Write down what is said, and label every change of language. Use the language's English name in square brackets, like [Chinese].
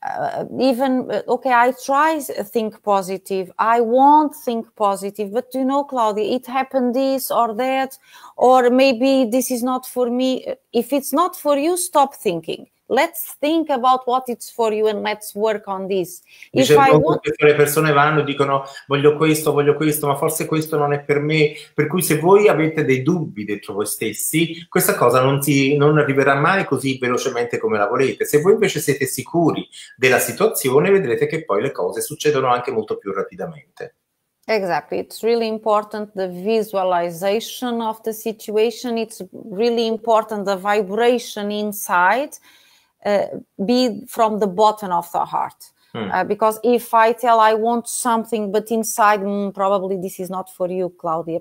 [English] I try think positive, I won't think positive, but you know, Claudia, it happened this or that, or maybe this is not for me. If it's not for you, stop thinking. Let's think about what it's for you and let's work on this. [Italian] Le persone vanno e dicono voglio questo, ma forse questo non è per me. Per cui se voi avete dei dubbi dentro voi stessi, questa cosa non arriverà mai così velocemente come la volete. Se voi invece siete sicuri della situazione, vedrete che poi le cose succedono anche molto più rapidamente. [English] Exactly. It's really important the visualization of the situation. It's really important the vibration inside. Be from the bottom of the heart. Because if I tell I want something, but inside, probably this is not for you, Claudia.